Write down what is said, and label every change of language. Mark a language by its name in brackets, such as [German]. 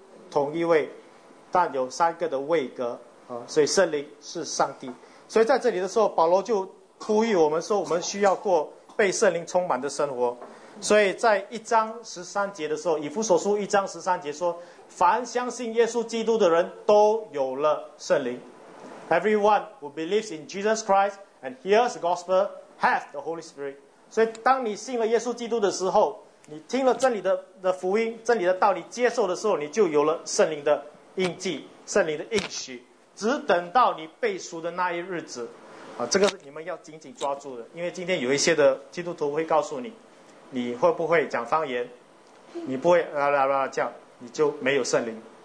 [Chinese] 同一位，但有三个的位格，所以圣灵是上帝。所以在这里的时候，保罗就呼吁我们说，我们需要过被圣灵充满的生活。所以在一章十三节的时候，以弗所书一章十三节说，凡相信耶稣基督的人都有了圣灵。 [English] Everyone who believes in Jesus Christ and hears the gospel has the Holy Spirit。 [Chinese] 所以当你信了耶稣基督的时候，你听了真理 的福音，真理的道理，接受的时候，你就有了圣灵的印记，圣灵的应许，只等到你被赎的那一日子啊，这个是你们要紧紧抓住的。因为今天有一些的基督徒会告诉你，你会不会讲方言，你不会啦啦啦啦叫，你就没有圣灵。